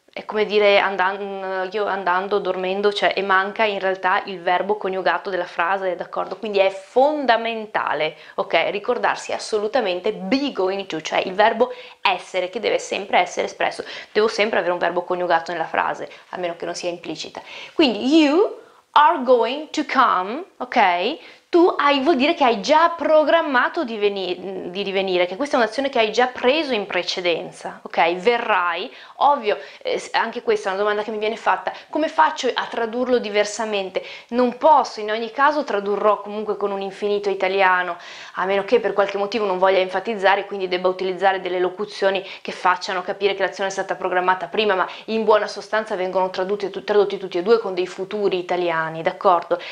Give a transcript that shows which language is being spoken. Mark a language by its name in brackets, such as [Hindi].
[Italian] È come dire io andando, dormendo, cioè, e manca in realtà il verbo coniugato della frase, d'accordo? Quindi è fondamentale, ok, ricordarsi assolutamente [English] be going to, [Italian] cioè il verbo essere, che deve sempre essere espresso. Devo sempre avere un verbo coniugato nella frase, a meno che non sia implicita. [English] Quindi you are going to come, ok? [Italian] Vuol dire che hai già programmato di divenire, che questa è un'azione che hai già preso in precedenza, ok? Verrai, ovvio, anche questa è una domanda che mi viene fatta, come faccio a tradurlo diversamente? Non posso, in ogni caso tradurrò comunque con un infinito italiano, a meno che per qualche motivo non voglia enfatizzare, quindi debba utilizzare delle locuzioni che facciano capire che l'azione è stata programmata prima, ma in buona sostanza vengono tradotti tutti e due con dei futuri italiani, d'accordo?